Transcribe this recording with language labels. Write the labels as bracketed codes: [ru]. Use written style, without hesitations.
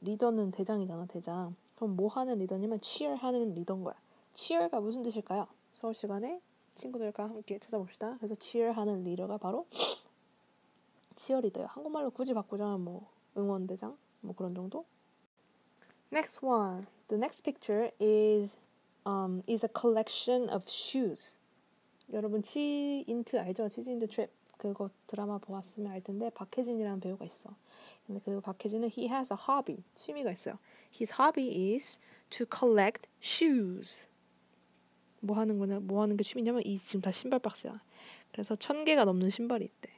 [ko] 리더는 대장이잖아, 대장. 그럼 뭐 하는 리더냐면 cheer 하는 리더인 거야. cheer가 무슨 뜻일까요? 수업 시간에 친구들과 함께 찾아봅시다. 그래서 cheer 하는 리더가 바로 cheerleader예요. 한국말로 굳이 바꾸자면 뭐 응원대장 뭐 그런 정도. [en] Next one, the next picture is a collection of shoes. [ko] 여러분 치인트 알죠? 치즈인트 트립 그거 드라마 보았으면 알 텐데 박해진이라는 배우가 있어. 근데 그 박해진은 [en] he has a hobby [ko] 취미가 있어요. [en] His hobby is to collect shoes. [ko] 뭐 하는 거냐? 뭐 하는 게 취미냐면 이 지금 다 신발 박스야. 그래서 천 개가 넘는 신발이 있대.